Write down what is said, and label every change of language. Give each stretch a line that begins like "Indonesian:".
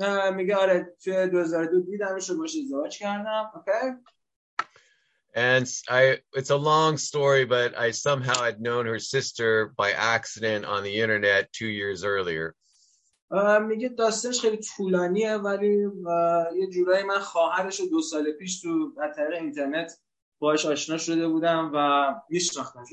Persian: میگه آره توی 2002 دیدمش و باش ازدواج کردم.
English: And it's a long story, but I somehow had known her sister by accident on the internet 2 years earlier.
Persian: میگه داستانش خیلی طولانیه ولی یه جورایی من خواهرش رو 2 سال پیش تو طریق اینترنت باهاش آشنا شده بودم و میشناختم.